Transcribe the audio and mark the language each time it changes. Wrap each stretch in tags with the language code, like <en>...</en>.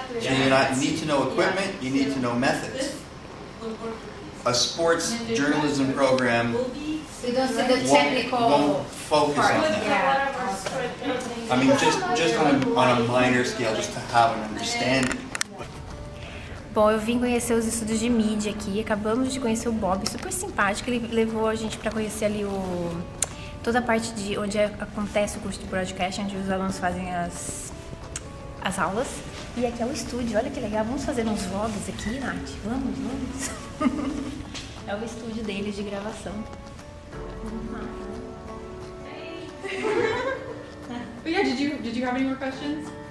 <en>So you need to know equipment, you need to know methods. A sports journalism program won't focus on that. I mean, just on a minor scale, just to have an understanding.</en> <pt>Bom, eu vim conhecer os estudos de mídia aqui, acabamos de conhecer o Bob, super simpático, ele levou a gente para conhecer ali o toda a parte de onde acontece o curso de broadcast, onde os alunos fazem as aulas. E aqui é o estúdio, olha que legal, vamos fazer uns vlogs aqui, Nath? Vamos, vamos. É o estúdio deles de gravação.</pt> <en>But yeah, did you have any more questions?</en>